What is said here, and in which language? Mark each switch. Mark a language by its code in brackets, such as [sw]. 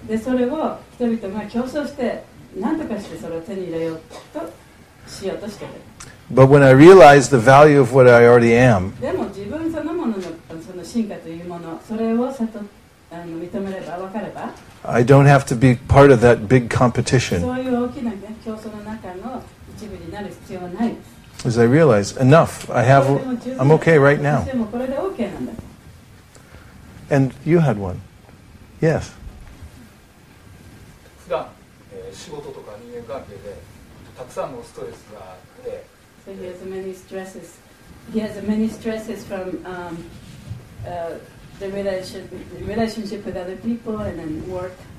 [ja] で、それを人々が競争して何とかしてそれを手に入れようとしようとしている。 [en] But when I realize the value of what I already am, [ja] でも自分そのもののその進化というもの、それを悟って認めれば分かれば、 [en] I don't have to be part of that big competition. [ja] そういう大きな、ね、競争の中の一部になる必要はない。 [en] As I realize, enough. I have. I'm okay right now. [ja] でもこれで OK なんだ。 [en] And you had one. Yes. [ja] 普段、仕事とか人間関係でたくさんのストレスがあって、 [en] So he has many stresses. He has many stresses from the relationship with other people and then work.